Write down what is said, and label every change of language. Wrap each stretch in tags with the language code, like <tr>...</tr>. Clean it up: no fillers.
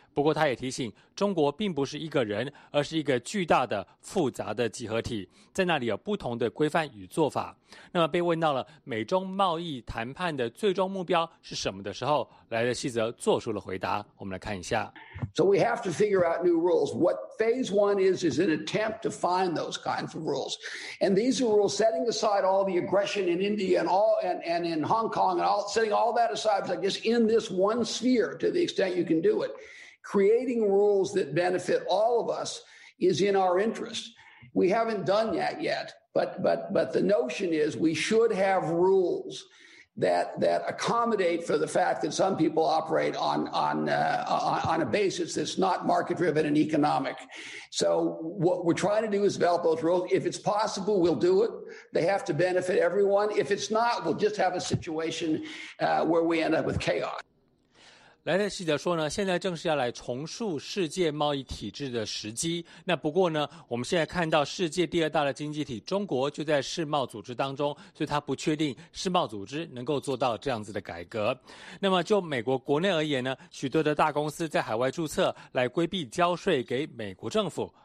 <zh>不过他也提醒，中国并不是一个人，而是一个巨大的复杂的集合体，在那里有不同的规范与做法。那么被问到了美中贸易谈判的最终目标是什么的时候，莱特希则做出了回答，我们来看一下。</zh> <en>So we have to figure out new rules. What phase one is an attempt to find those kinds of rules. And these are rules setting aside all the aggression in India and in Hong Kong and all, setting all that aside, like just in this one sphere to the extent you can do it. Creating rules that benefit all of us is in our interest. We haven't done that yet, but the notion is we should have rules that accommodate for the fact that some people operate on a basis that's not market-driven and economic. So what we're trying to do is develop those rules. If it's possible, we'll do it. They have to benefit everyone. If it's not, we'll just have a situation where we end up with chaos.</en> <zh>莱特希则说呢，现在正是要来重塑世界贸易体制的时机。那不过呢，我们现在看到世界第二大的经济体中国就在世贸组织当中，所以他不确定世贸组织能够做到这样子的改革。那么就美国国内而言呢，许多的大公司在海外注册来规避交税给美国政府。</zh>